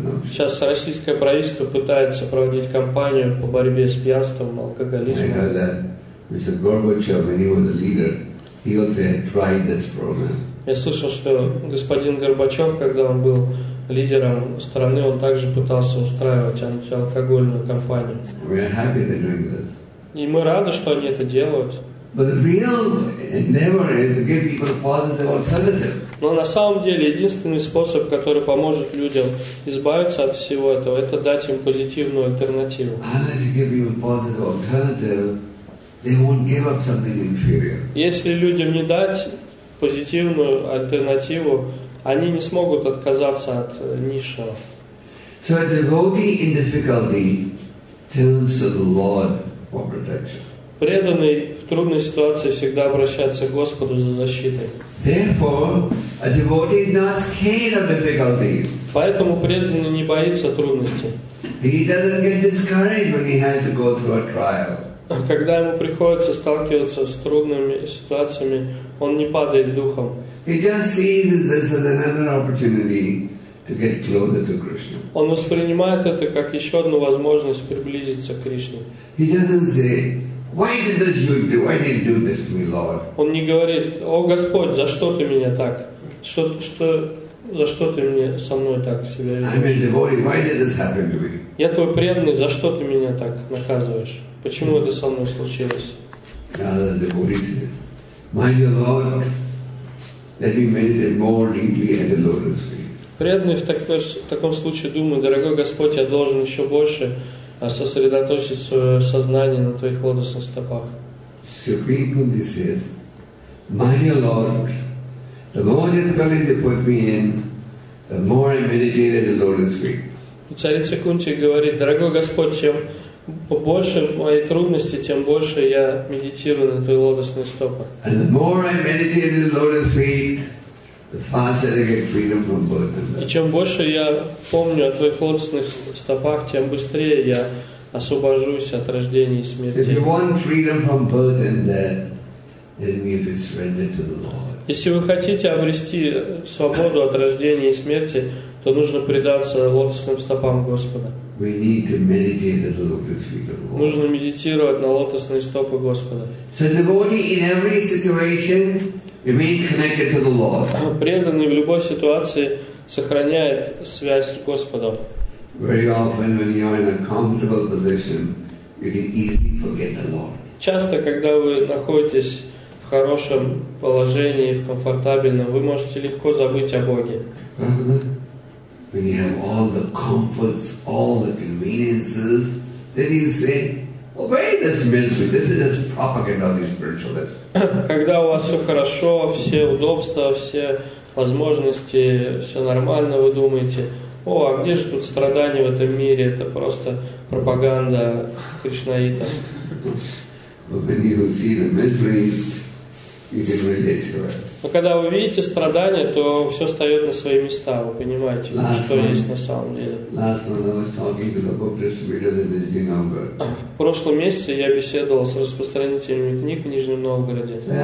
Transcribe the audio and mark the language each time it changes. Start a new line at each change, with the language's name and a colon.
Russian: Сейчас российское правительство пытается проводить кампанию по борьбе с пьянством, алкоголизмом. Я говорил, что Mr.
English: Gorbachev, лидер, he also had tried this program.
Russian: Я слышал, что господин Горбачев, когда он был лидером страны, он также пытался устраивать антиалкогольную кампанию.
English: We are happy they're doing this.
Russian: И мы рады, что они это делают.
English: But the real endeavor is to give people a positive alternative.
Russian: Но на самом деле единственный способ, который поможет людям избавиться от всего этого, это дать им позитивную альтернативу.
English: Unless you give people a positive alternative, they won't give up something inferior.
Russian: Если людям не дать позитивную альтернативу, они не смогут отказаться от низшего.
English: So a devotee in difficulty turns to the Lord for protection.
Russian: Преданный в трудной ситуации всегда обращается к Господу за защитой.
English: Therefore, a devotee is not scared of difficulties.
Russian: Поэтому преданный не боится трудностей.
English: He doesn't get discouraged when he has to go through a trial.
Russian: Когда ему приходится сталкиваться с трудными ситуациями, он не падает духом.
English: He just sees this as another opportunity to get closer to Krishna.
Russian: Он воспринимает это как еще одну возможность приблизиться к Кришне.
English: He doesn't say, why did this you do? Why did you do this to me, Lord?
Russian: Он не говорит, о Господь, за что ты меня так? Что за что ты мне со мной так себя ведешь?
English: I'm a devotee. Why did this happen to me?
Russian: Я твой преданный, за что ты меня так наказываешь? Почему это со мной случилось?
English: Another devotee said, my dear Lord, let me meditate more deeply at the lotus feet.
Russian: Преданный в таком случае думает, дорогой Господь, я должен еще больше сосредоточить свое сознание на твоих лотосных стопах.
English: So Queen Kunti says, my dear Lord, the more difficulties you put me in, the more I meditate at the lotus feet.
Russian: Царица Кунти говорит, дорогой Господь, чем больше мои трудности, тем больше я медитирую на твои лотосные стопы.
English: And the more I meditate at the lotus feet, the faster I get freedom from birth.
Russian: И чем больше я помню о твоих лотосных стопах, тем быстрее я освобожусь от рождения и смерти.
English: If you want freedom from birth and death, then you need to surrender to the Lord.
Russian: Если вы хотите обрести свободу от рождения и смерти, то нужно предаться лотосным стопам Господа.
English: We need to meditate at the lotus feet of God.
Russian: Нужно медитировать на лотосные стопы Господа.
English: So the devotee in every situation remains connected to the Lord.
Russian: Преданный в любой ситуации сохраняет связь с Господом.
English: Very often when you are in a comfortable position, you can easily forget the Lord.
Russian: Часто, когда вы находитесь в хорошем положении, в комфортабельном, вы можете легко забыть о Боге.
English: When you have all the comforts, all the conveniences, then you say, obey this misery. This is just propaganda of the spiritualists.
Russian: Когда у вас все хорошо, все удобства, все возможности, все нормально, вы думаете, о, а где же тут страдания в этом мире? Это просто пропаганда кришнаитов.
English: But when you see the misery, you can relate to it.
Russian: Но когда вы видите страдания, то все встает на свои места, вы понимаете, что есть на самом деле. В прошлом месяце я беседовал с распространителями книг в Нижнем Новгороде.